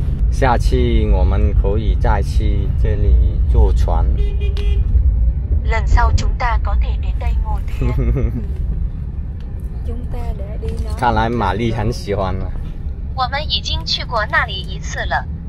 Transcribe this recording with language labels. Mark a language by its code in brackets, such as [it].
[zh] 下次我们可以再去这里坐船。 [vi] lần sau chúng ta có thể đến đây ngồi thuyền。 chúng ta đã đi nói。 [zh] 看来玛丽很喜欢了。我们已经去过那里一次了。